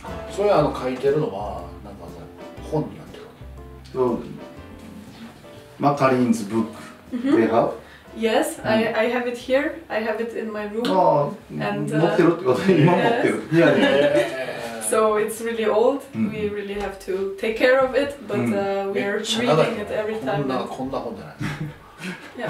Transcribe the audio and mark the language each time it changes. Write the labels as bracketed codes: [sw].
[ja] それあの書いてるのは、なんかさ、本になってるわけ。そう。マカリンズブック、mm-hmm. [en] They have? Yes, I have it here. I have it in my room. [ja] ああ、持ってるってこと、今持ってる。いやいや。 [en] So it's really old. We really have to take care of it, but we are reading it every time. [ja] こんな、こんな本じゃない。